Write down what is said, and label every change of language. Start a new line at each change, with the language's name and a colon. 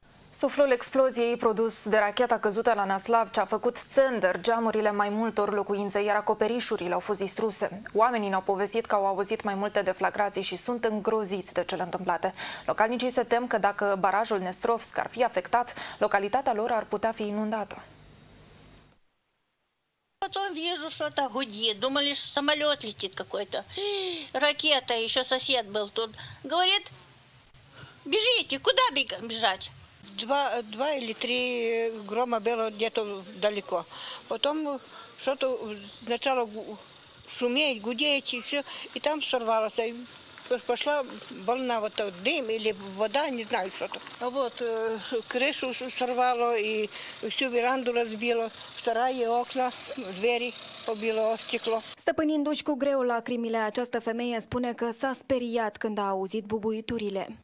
Romanian: Suflul exploziei produs de racheta căzută la Naslavcea a făcut țender geamurile mai multor locuințe, iar acoperișurile au fost distruse. Oamenii ne-au povestit că au auzit mai multe deflagrații și sunt îngroziți de cele întâmplate. Localnicii se tem că dacă barajul Dnestrovsk ar fi afectat, localitatea lor ar putea fi inundată.
Russian: Потом вижу, что-то гудит. Думали, что самолет летит какой-то. Ракета, еще сосед был тут. Говорит, бежите, куда бежать? Два или три грома было где-то далеко. Потом что-то сначала шуметь, гудеть и все. И там сорвалось. И пошла волна, вот дым или вода, не знаю что-то. Вот крышу сорвало и всю веранду разбило. Сарай, окна, двери.
Romanian: Stăpânindu-și cu greu lacrimile, această femeie spune că s-a speriat când a auzit bubuiturile.